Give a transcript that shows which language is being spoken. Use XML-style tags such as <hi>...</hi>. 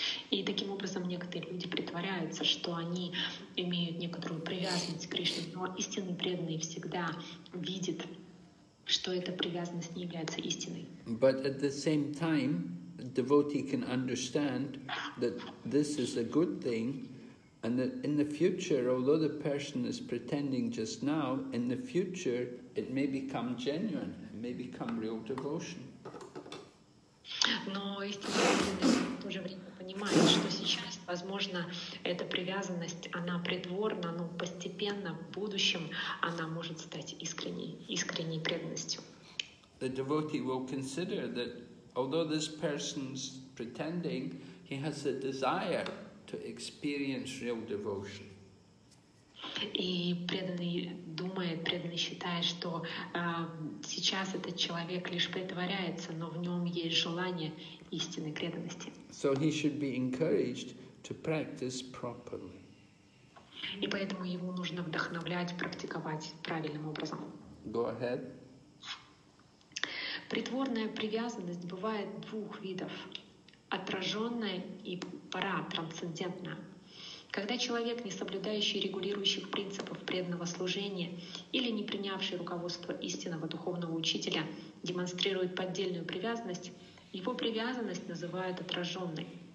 <ru>И таким образом некоторые люди притворяются, что они имеют некоторую привязанность к Кришне, но истинный преданный всегда видит, что эта привязанность не является истинной.</ru> <en>But at the same time, a devotee can understand that this is a good thing, and that in the future, although the person is pretending just now, in the future it may become genuine, it may become real devotion.</en> <ru>Но истинный преданный в то же время понимает, что сейчас, возможно, эта привязанность, она придворна, но постепенно, в будущем, она может стать искренней преданностью.</ru> <en>The devotee will consider that although this person's pretending, he has a desire to experience real devotion.</en> <ru>И преданный думает, преданный считает, что сейчас этот человек лишь притворяется, но в нем есть желание истинной преданности.</ru> <en>So he should be encouraged to practice properly.</en> <ru>И поэтому его нужно вдохновлять, практиковать правильным образом.</ru> <en>Go ahead.</en> <ru>Притворная привязанность бывает двух видов. Отраженная и паратрансцендентная. Когда человек, не соблюдающий регулирующих принципов преданного служения или не принявший руководство истинного духовного учителя, демонстрирует поддельную привязанность, его привязанность называют отраженной.</ru>